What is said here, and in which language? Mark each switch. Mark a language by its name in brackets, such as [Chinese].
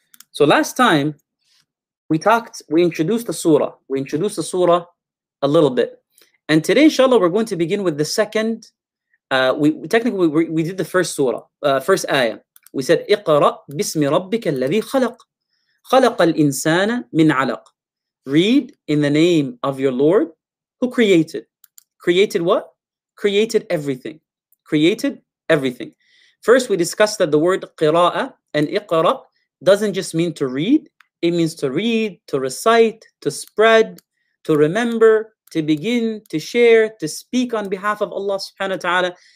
[English] So last time, we introduced the surah. We introduced the surah a little bit. And today, inshallah, we're going to begin with the second. We did the first surah, first ayah. We said, [Arabic] اقرأ بسم ربك الذي خلق. خلق الإنسان من علق. [English] Read in the name of your Lord who created. Created what? Created everything. Created everything. First, we discussed that the word قراءة and اقرأ doesn't just mean to read. It means to read, to recite, to spread, to remember, to begin, to share, to speak on behalf of Allah subhanahu wa ta'ala.